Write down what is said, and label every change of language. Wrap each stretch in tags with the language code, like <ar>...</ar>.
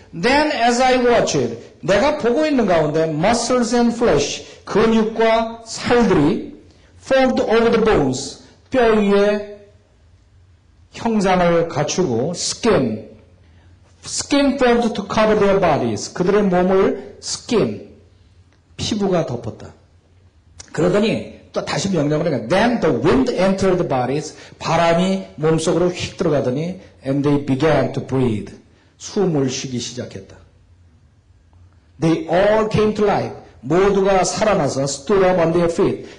<en>Then as I watch it,</en> <ko>내가 보고 있는 가운데</ko> <en>muscles and flesh,</en> <ko>근육과 살들이</ko> <en>formed over the bones,</en> <ko>뼈 위에 형상을 갖추고</ko> <en>skin, skin formed to cover their bodies.</en> <ko>그들의 몸을</ko> <en>skin,</en> <ko>피부가 덮었다. 그러더니 또 다시 명령을 해.</ko> <en>Then the wind entered the bodies.</en> <ko>바람이 몸속으로 휙 들어가더니</ko> <en>and they began to breathe.</en> <ko>숨을 쉬기 시작했다.</ko> <en>They all came to life.</en> <ko>모두가 살아나서</ko> <en>stood up on their feet.</en>